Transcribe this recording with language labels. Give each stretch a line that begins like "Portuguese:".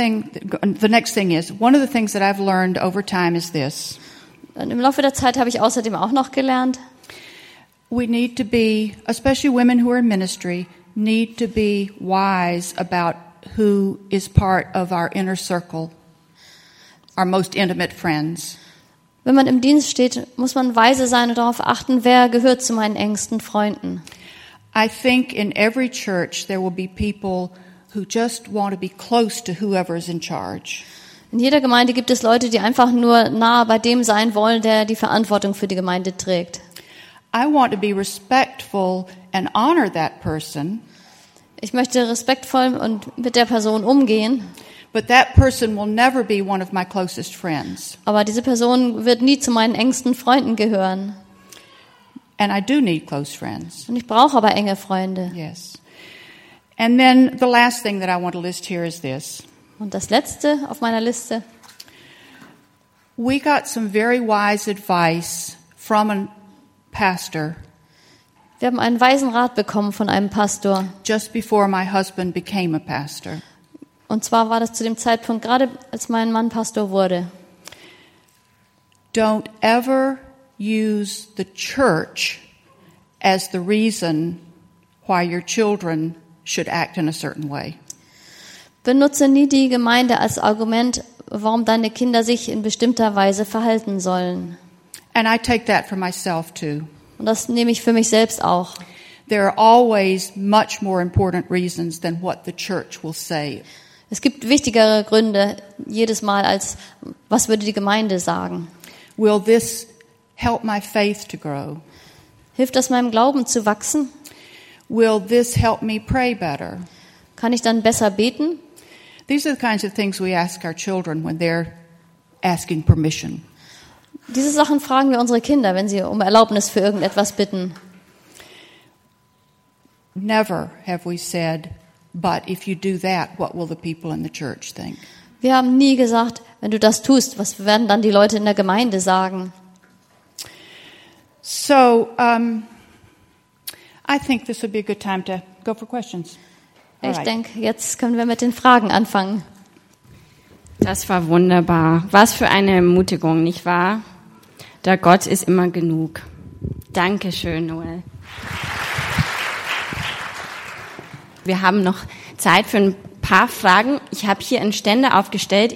English: One of the things that I've learned over time is this.
German: Und im Laufe der Zeit habe ich außerdem auch noch gelernt.
English: We need to be, especially women who are in ministry, need to be wise about who is part of our inner circle, our most intimate friends.
German: Wenn man im Dienst steht, muss man weise sein und darauf achten, wer gehört zu meinen engsten Freunden.
English: I think in every church there will be people who just want to be close to whoever is in charge.
German: In jeder Gemeinde gibt es Leute, die einfach nur nah bei dem sein wollen, der die Verantwortung für die Gemeinde trägt.
English: I want to be respectful and honor that person.
German: Ich möchte respektvoll und mit der Person umgehen.
English: But that person will never be one of my closest friends.
German: Aber diese Person wird nie zu meinen engsten Freunden gehören.
English: And I do need close friends.
German: Und ich brauche aber enge Freunde.
English: Yes. And then the last thing that I want to list here is this.
German: Und das letzte auf meiner Liste.
English: We got some very wise advice from a pastor.
German: Wir haben einen weisen Rat bekommen von einem Pastor.
English: Just before my husband became a pastor.
German: Und zwar war das zu dem Zeitpunkt gerade, als mein Mann Pastor wurde.
English: Don't ever use the church as the reason why your children should act in a certain way.
German: Benutze nie die Gemeinde als Argument, warum deine Kinder sich in bestimmter Weise verhalten sollen.
English: And I take that for myself too.
German: Und das nehme ich für mich selbst auch.
English: There are always much more important reasons than what the church will say.
German: Es gibt wichtigere Gründe jedes Mal als was würde die Gemeinde sagen.
English: Will this help my faith to grow?
German: Hilft das meinem Glauben zu wachsen?
English: Will this help me pray better?
German: Kann ich dann besser beten?
English: These are the kinds of things we ask our children when they're asking permission.
German: Diese Sachen fragen wir unsere Kinder, wenn sie um Erlaubnis für irgendetwas bitten.
English: Never have we said, but if you do that, what will the people in the church think?
German: Wir haben nie gesagt, wenn du das tust, was werden dann die Leute in der Gemeinde sagen?
English: So I think this would be a good time to go for questions.
German: Ich denke, jetzt können wir mit den Fragen anfangen. Das war wunderbar. Was für eine Ermutigung, nicht wahr? Der Gott ist immer genug. Dankeschön, Noel. Wir haben noch Zeit für ein paar Fragen. Ich habe hier einen Ständer aufgestellt.